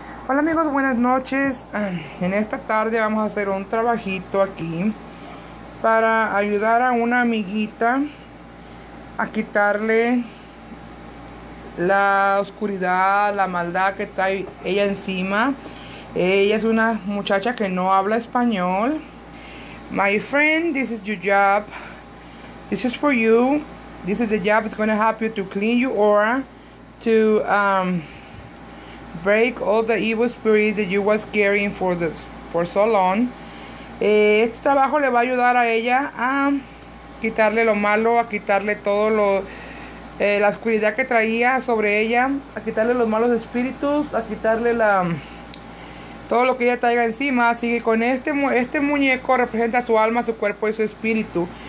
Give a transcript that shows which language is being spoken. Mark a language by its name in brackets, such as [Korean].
[Spanish] Hola amigos, buenas noches. En esta tarde vamos a hacer un trabajito aquí para ayudar a una amiguita a quitarle la oscuridad, la maldad que está ella encima. Ella es una muchacha que no habla español. [English] My friend, this is your job. This is for you. This is the job that's going to help you to clean your aura, to break all the evil spirits that you was carrying for this for so long. [Spanish] Este trabajo le va a ayudar a ella a quitarle lo malo, a quitarle todo lo la oscuridad que traía sobre ella, a quitarle los malos espíritus, a quitarle la todo lo que ella traiga encima. Así que con este muñeco representa su alma, su cuerpo y su espíritu.